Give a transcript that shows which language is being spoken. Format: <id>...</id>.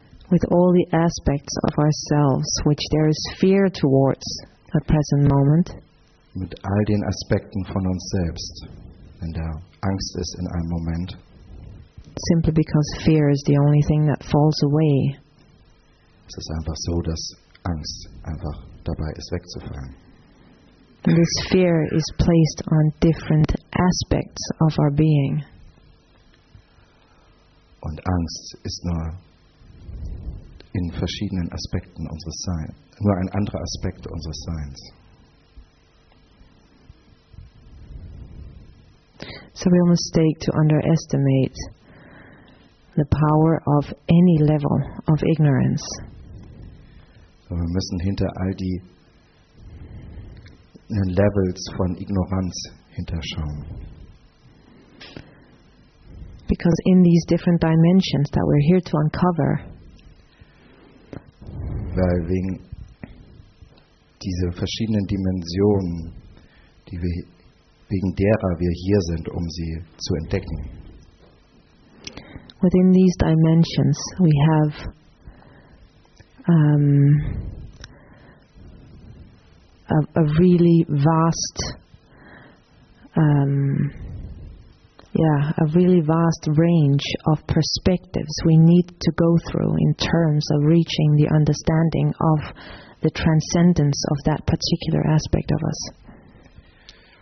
<en>With all the aspects of ourselves which there is fear towards at present moment.</en> <de>Mit all den Aspekten von uns selbst, wenn da Angst ist in einem Moment.</de> <en>Simply because fear is the only thing that falls away.</en> <de>Es ist einfach so, dass Angst einfach dabei ist, wegzufallen.</de> <en>And this fear is placed on different aspects of our being.</en> <de>Und Angst ist nur in verschiedenen Aspekten unseres Seins, nur ein anderer Aspekt unseres Seins.</de> <en>It's a real mistake to underestimate the power of any level of ignorance.</en> <de>So wir müssen hinter all die Levels von Ignoranz hinterschauen.</de> <en>Because in these different dimensions that we're here to uncover,</en> <de>weil wegen diese verschiedenen Dimensionen, die wir wegen derer wir hier sind, um sie zu entdecken.</de> <en>Within these dimensions, we have a really vast, a really vast range of perspectives we need to go through in terms of reaching the understanding of the transcendence of that particular aspect of us.</en>